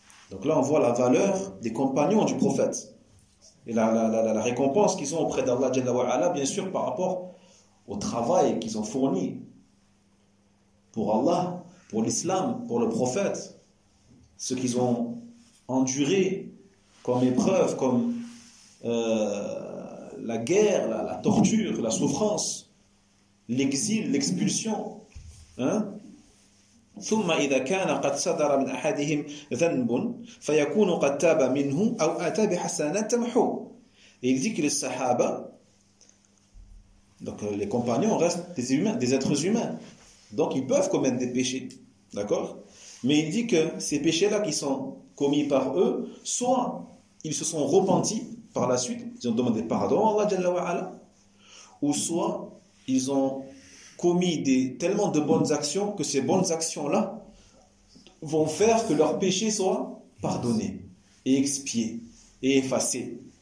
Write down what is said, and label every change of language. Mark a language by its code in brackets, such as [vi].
[fr] Donc là, on voit la valeur des compagnons du prophète. Et la récompense qu'ils ont auprès d'Allah Jalla wa'ala, bien sûr, par rapport au travail qu'ils ont fourni pour Allah, pour l'islam, pour le prophète. Ce qu'ils ont enduré comme épreuve, comme la guerre, la torture, la souffrance, l'exil, l'expulsion. [ar] ثم إذا كان قد صدر من أحدهم ذنب فيكون قد تاب منه أو أتى بحسنات تمحو. [fr] Il dit que les Sahaba, donc les compagnons restent des humains, des êtres humains, donc ils peuvent commettre des péchés, d'accord. Mais il dit que ces péchés-là qui sont commis par eux, soit ils se sont repentis par la suite, ils ont demandé pardon à Allah Jalla wa'ala, ou soit ils ont commis tellement de bonnes actions que ces bonnes actions-là vont faire que leurs péchés soient pardonnés et expiés et effacés.